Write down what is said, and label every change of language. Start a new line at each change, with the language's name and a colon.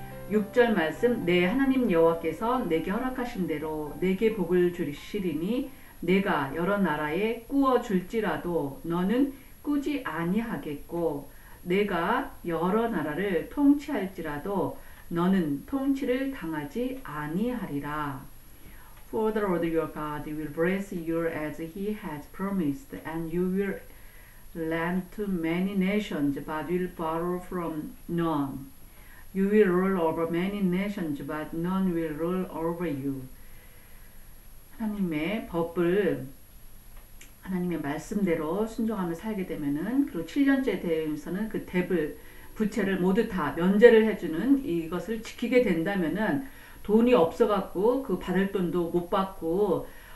Korean: 6절 말씀, 내 하나님 여호와께서 내게 허락하신 대로 내게 복을 주시리니 내가 여러 나라에 꾸어 줄지라도 너는 꾸지 아니하겠고 내가 여러 나라를 통치할지라도 너는 통치를 당하지 아니하리라.
English: For the Lord your God will bless you as he has promised, and you will lend to many nations, but will borrow from none. You will rule over many nations, but none will rule over you.
Korean: 하나님의 법을 하나님의 말씀대로 순종하며 살게 되면은, 그리고 7년째 대회에서는 그 대불, 부채를 모두 다 면제를 해주는 이것을 지키게 된다면은, 돈이 없어갖고 그 받을 돈도 못 받고